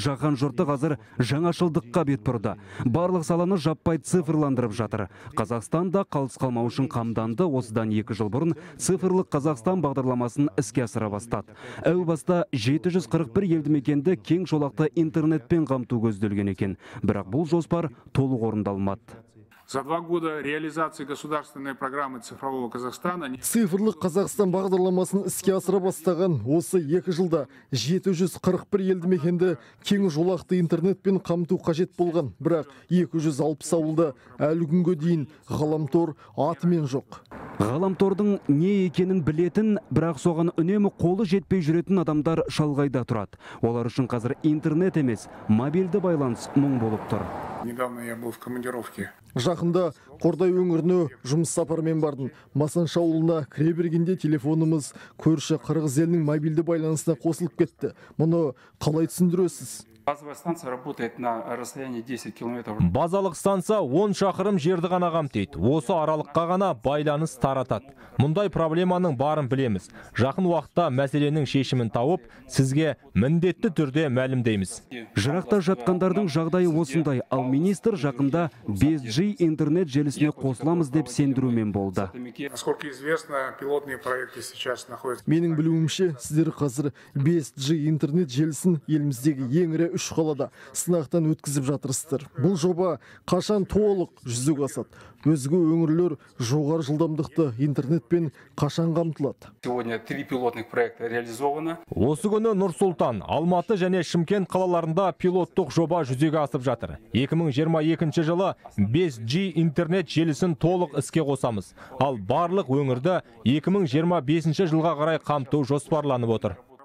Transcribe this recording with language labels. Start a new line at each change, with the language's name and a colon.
Kazakh: Жаған жұрты қазір жаңашылдыққа бет бұрды. Барлық саланы жаппай цифрландырып жатыр. Қазақстанда қалыс қалмау үшін қамданды осыдан 2 жыл бұрын цифрлық Қазақстан бағдарламасын іске асыра бастады. Әу баста 741 елді мекенді кең жолақты интернетпен қамту көзделген екен. Бірақ бұл жоспар толық орындалмады.
Russian: За два года реализации государственной программы цифрового Казахстана...
Kazakh: Цифрлық Қазақстан бағдарламасын іске асыра бастаған осы 2 жылда 741 елді мекенді кең жолақты интернетпен қамту қажет болған. Бірақ 260 ауылды әлі күнге дейін ғаламтор атымен жоқ. Ғаламтордың не екенін білетін, бірақ соған үнемі қолы жетпей жүретін адамдар шалғайда тұрады. Олар үшін қазір интернет емес, мобильді байланыс мұң болып тұр.
Russian: Недавно я был в командировке.
Kazakh: Жақында Қордай өңіріне жұмыс сапармен бардым. Масанша ауылына кіре бергенде телефонымыз көрші қырғыз елінің мобильді байланысына қосылып кетті. Мұны қалай түсіндіресіз?
Russian: Базовая станция работает на расстоянии 10 километров.
Kazakh: Базалық станция 10 шақырым жерді ғана қамтиды. Осы аралыққа ғана байланыс таратады. Мұндай проблеманың барын білеміз. Жақын уақытта мәселенің шешімін тауып, сізге міндетті түрде мәлімдейміз. Жырақта жатқандардың жағдайы осындай, ал министр жақында 5G интернет желісіне қосыламыз деп сендірумен болды.
Russian: Насколько известно, пилотные проекты сейчас находятся.
Kazakh: Менің білуімше, сіздер қазір 5G интернет желісін еліміздегі ең үш қалада сынақтан өткізіп жатырсыздар. Бұл жоба қашан толық жүзеге асады? Өзге өңірлер жоғары жылдамдықты интернетпен қашан қамтылады?
Russian: Сегодня 3 пилотных проекта реализовано.
Kazakh: Осы күні Нұр-Сұлтан, Алматы және Шымкент қалаларында пилоттық жоба жүзеге асып жатыр. 2022 жылы 5G интернет желісін толық іске қосамыз. Ал барлық өңірді 2025 жылға қарай қамту жоспарланып отыр.